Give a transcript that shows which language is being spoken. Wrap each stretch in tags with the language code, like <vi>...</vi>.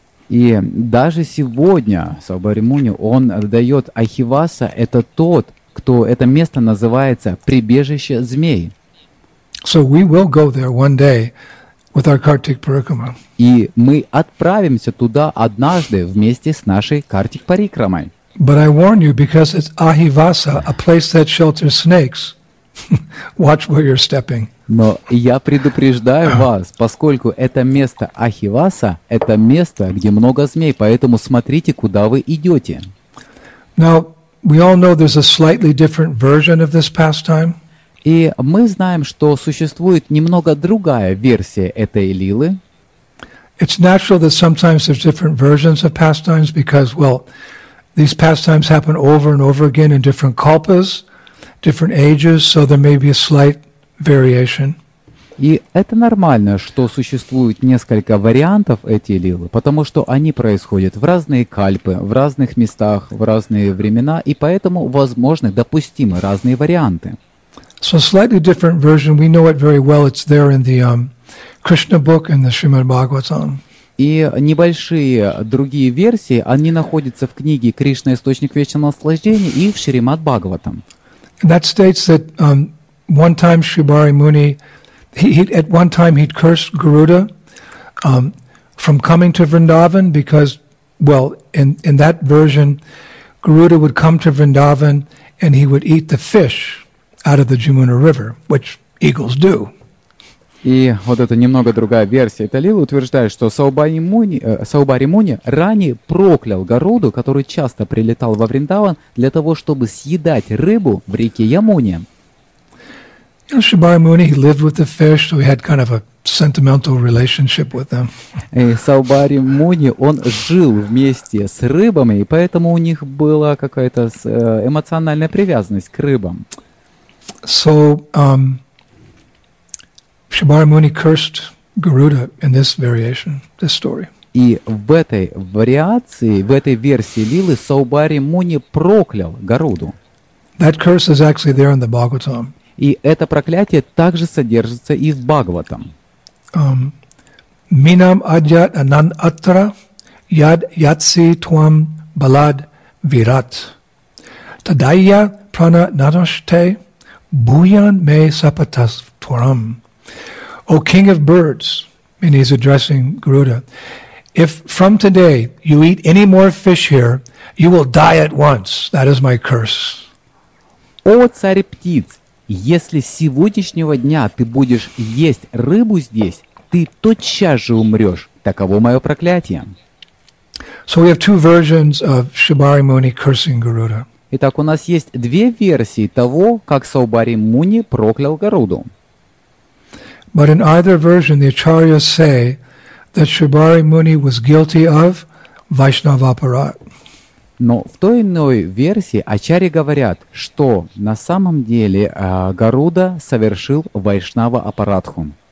<ru>И даже сегодня Шобари Муни, он дает Ахиваса – это тот, кто это место называется прибежище змей.</ru> <en>So we will go there one day with our Kartik Parikrama.</en> <ru>И мы отправимся туда однажды вместе с нашей Картик Парикрамой.</ru> <en>But I warn you, because it's Ahivasa, a place that shelters snakes. Watch where you're stepping.</en> <ru>Но я предупреждаю вас, поскольку это место Ахиваса, это место, где много змей, поэтому смотрите, куда вы идете.</ru> <en>Now, we all know there's a slightly different version of this pastime.</en> <ru>И мы знаем, что существует немного другая версия этой лилы.</ru> <en>It's natural that sometimes there's different versions of pastimes because, well, these pastimes happen over and over again in different kalpas, different ages, so there may be a slight variation.</en> <ru>И это нормально, что существует несколько вариантов этой лилы, потому что они происходят в разные кальпы, в разных местах, в разные времена, и поэтому возможны, допустимы разные варианты.</ru> <en>So slightly different version, we know it very well, it's there in the Krishna book and the Srimad Bhagavatam.</en> <ru>И небольшие другие версии, они находятся в книге «Кришна. Источник вечного наслаждения» и в Шримад Бхагаватам.</ru> <en>That states that one time Shibari Muni, at one time he'd cursed Garuda from coming to Vrindavan because, well, in that version, Garuda would come to Vrindavan and he would eat the fish out of the Jamuna River, which eagles do.</en> <ru>И вот это немного другая версия. Талила утверждает, что Саубари Муни ранее проклял Гаруду, который часто прилетал во Вриндаван для того, чтобы съедать рыбу в реке Ямуне.</ru> <en>Саубари Муни, he lived with the fish, so he had kind of a sentimental relationship with them.</en> <ru>Саубари Муни, он жил вместе с рыбами, и поэтому у них была какая-то эмоциональная привязанность к рыбам.</ru> <en>So, Shibari Muni cursed Garuda in this variation, this story.</en> <ru>И в этой вариации, в этой версии лилы Саубари Муни проклял Гаруду.</ru> <en>That curse is actually there in the Bhagavatam.</en> <ru>И это проклятие также содержится и в Бхагаватам.</ru> <sa>Минам аджат анан атра яд ятси твам балад вират тадайя прана надоште буян ме сапатас твам.</sa> <en>O king of birds, and he's addressing Garuda, if from today you eat any more fish here, you will die at once. That is my curse.</en> <ru>О, царь птиц, если с сегодняшнего дня ты будешь есть рыбу здесь, ты тотчас же умрешь. Таково мое проклятие.</ru> <en>So we have two versions of Shibari Muni cursing Garuda.</en> <ru>Итак, у нас есть две версии того, как Саубари Муни проклял Гаруду.</ru> <en>But in either version, the acharyas say that Shibari Muni was guilty of Vaishnava aparat.</en> <ru>Но в той иной версии ачарьи говорят, что на самом деле Гаруда совершил Вайшнава апаратху.</ru>